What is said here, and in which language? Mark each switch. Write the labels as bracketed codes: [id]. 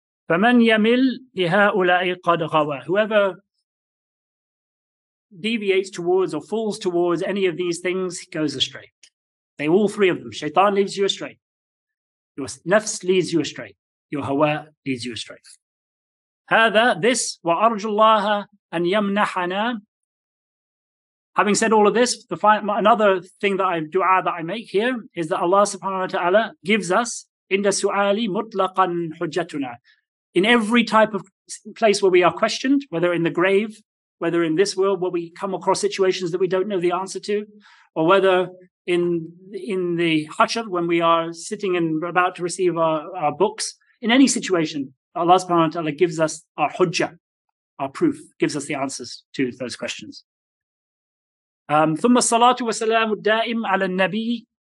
[ar] فَمَنْ يَمِلْ بِهَاُولَئِ قَدْ غَوَى. [en] Whoever deviates towards or falls towards any of these things, he goes astray. They all three of them. Shaitan leads you astray. Your nafs leads you astray. Your hawa leads you astray. [ar] هَذَا this وَأَرْجُ اللَّهَ أَنْ يَمْنَحَنَا. [en] Having said all of this, another thing that I dua that I make here is that Allah subhanahu wa ta'ala gives us [ar] inda su'ali mutlaqan hujjatuna. [en] In every type of place where we are questioned, whether in the grave, whether in this world where we come across situations that we don't know the answer to, or whether in the hashr when we are sitting and about to receive our books, in any situation, Allah subhanahu wa ta'ala gives us our hujjah, our proof, gives us the answers to those questions. [ar] ثم الصلاة والسلام الدائم على النبي.